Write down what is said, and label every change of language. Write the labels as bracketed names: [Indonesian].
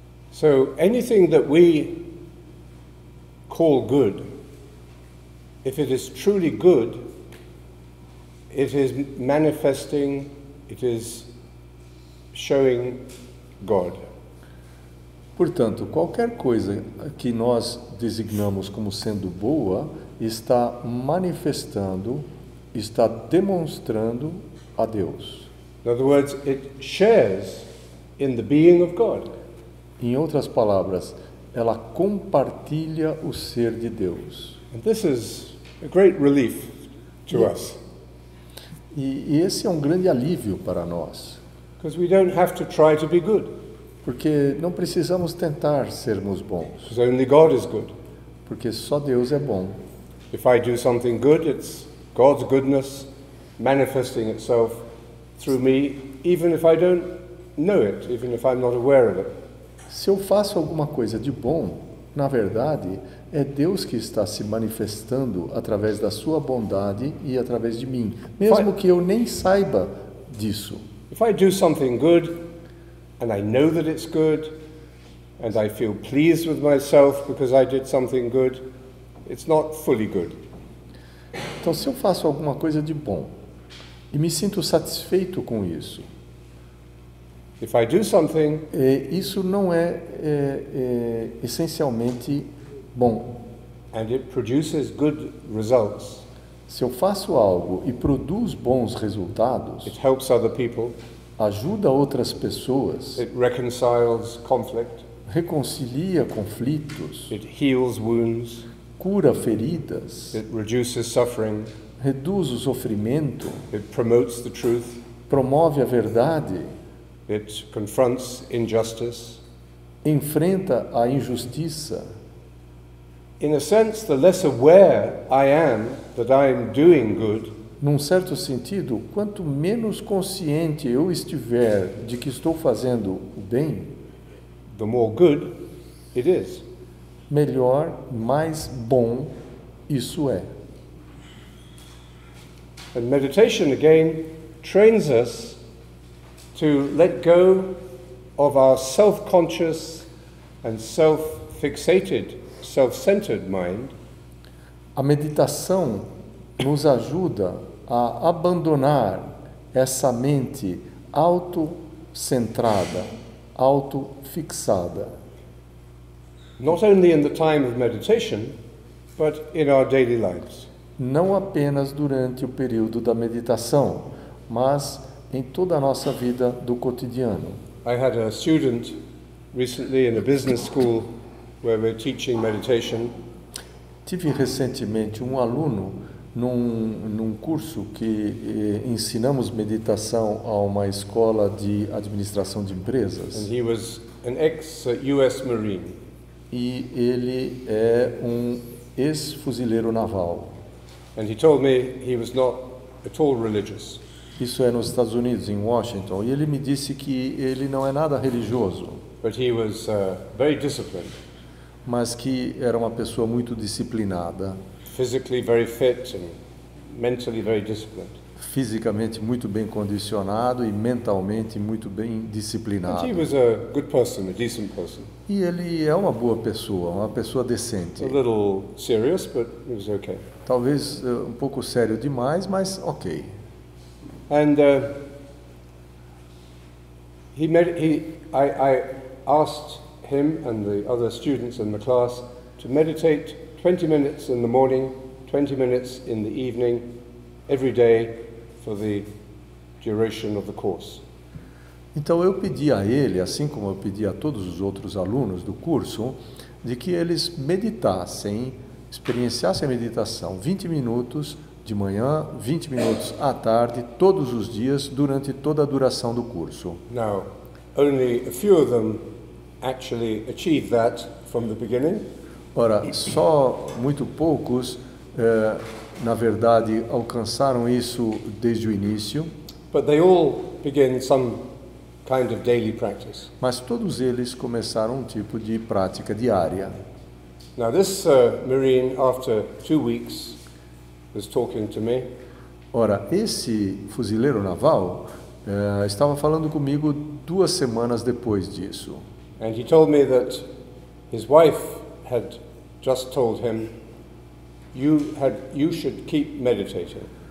[English] So anything that we call good, if it is truly good, it is manifesting, it is showing God. [Portuguese] Portanto, qualquer coisa que nós designamos como sendo boa está manifestando, está demonstrando a Deus. [English] In other words, it shares in the being of God. [Portuguese] Em outras palavras, ela compartilha o ser de Deus. [English] And this is a great relief to us. [Portuguese] E esse é um grande alívio para nós. [English] Because we don't have to try to be good. [Portuguese] Porque não precisamos tentar sermos bons. [English] Because only God is good. [Portuguese] Porque só Deus é bom. [English] If I do something good, it's God's goodness manifesting itself through me, even if I don't know it, even if I'm not aware of it. [Portuguese] Se eu faço alguma coisa de bom, na verdade, é Deus que está se manifestando através da sua bondade e através de mim, mesmo que eu nem saiba disso. [English] If I do something good and I know that it's good and I feel pleased with myself because I did something good, it's not fully good. [Portuguese] Então, se eu faço alguma coisa de bom e me sinto satisfeito com isso, [English] if I do something, [Portuguese] isso não é essencialmente bom. [English] And it produces good results. [Portuguese] Se eu faço algo e produz bons resultados, [English] it helps other people, [Portuguese] ajuda outras pessoas, [English] it reconciles conflict, [Portuguese] reconcilia conflitos, [English] it heals wounds, [Portuguese] cura feridas, [English] it reduces suffering, [Portuguese] reduz o sofrimento, [English] it promotes the truth, [Portuguese] promove a verdade, [English] it confronts injustice, [Portuguese] enfrenta a injustiça. [English] In a sense, the less aware I am that I am doing good, [Portuguese] num certo sentido, quanto menos consciente eu estiver de que estou fazendo o bem, [English] the more good it is. [Portuguese] Melhor, mais bom isso é. [English] And meditation again trains us to let go of our self-conscious and self-fixated, self-centered mind. [Portuguese] A meditação nos ajuda a abandonar essa mente auto-centrada, auto-fixada. [English] Not only in the time of meditation, but in our daily lives. [Portuguese] Não apenas durante o período da meditação, mas em toda a nossa vida do cotidiano. [English] I had a student recently in a business school where we're teaching meditation. [Portuguese] Tive recentemente um aluno num curso que ensinamos meditação a uma escola de administração de empresas. [English] And he was an ex-US Marine. [Portuguese] E ele é um ex-fuzileiro naval. [English] And he told me he was not at all religious. [Portuguese] Isso é nos Estados Unidos, em Washington. E ele me disse que ele não é nada religioso. [English] But he was very disciplined. [Portuguese] Mas que era uma pessoa muito disciplinada. [English] Physically very fit and mentally very disciplined. [Portuguese] Fisicamente muito bem condicionado e mentalmente muito bem disciplinado. [English] And he was a good person, a decent person. [Portuguese] E ele é uma boa pessoa, uma pessoa decente. [English] A little serious, but it was okay. [Portuguese] Talvez um pouco sério demais, mas ok. [English] And I asked him and the other students in the class to meditate 20 minutes in the morning, 20 minutes in the evening, every day for the duration of the course. [Portuguese] Então eu pedi a ele, assim como eu pedi a todos os outros alunos do curso, de que eles meditassem, experienciassem a meditação 20 minutos de manhã, 20 minutos à tarde, todos os dias, durante toda a duração do curso. [English] Now, only a few of them actually achieved that from the beginning. [Portuguese] Ora, só muito poucos, na verdade, alcançaram isso desde o início. [English] But they all begin some kind of daily practice. [Portuguese] Mas todos eles começaram um tipo de prática diária. [English] Now this Marine, after 2 weeks, was talking to me. [Portuguese] Ora, esse fuzileiro naval estava falando comigo 2 semanas depois disso. [English] And he told me that his wife had just told him, you should keep meditating.